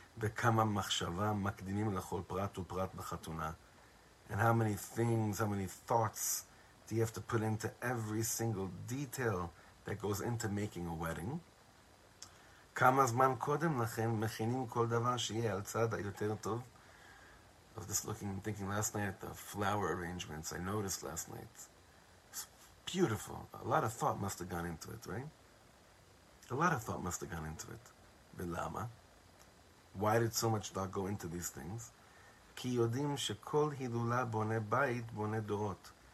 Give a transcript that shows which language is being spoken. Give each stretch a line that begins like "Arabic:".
Hebrew: וכמה מחשבה מקדימים לכל פרט ופרט בחתונה.
English: And how many things, how many thoughts do you have to put into every single detail that goes into making a wedding?
Hebrew: כמה זמן קודם לכן מכינים כל דבר שיהיה על צד היותר טוב?
English: I was just looking and thinking last night at the flower arrangements I noticed last night. It's beautiful. A lot of thought must have gone into it, right? A lot of thought must have gone into it.
Hebrew: ולמה?
English: Why did so much thought go into these things?
Hebrew: Ki yodim shekol hilula bone bayit bone dorot.